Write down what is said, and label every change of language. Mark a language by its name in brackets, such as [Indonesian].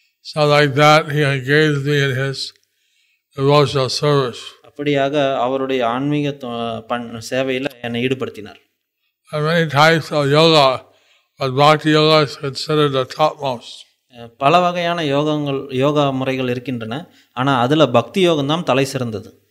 [English] So like that, he engaged me in his devotional service. [Tamil] அப்படியாக அவருடைய ஆன்மீக சேவையில் என்னை ஈடுபடுத்தினார். [English] There are many types of yoga, but bhakti yoga is considered the topmost. [Tamil] பல வகையான யோகங்கள் யோகா முறைகள் இருக்கின்றன, ஆனால் அதில் பக்தி யோகம் தான் தலை சிறந்தது.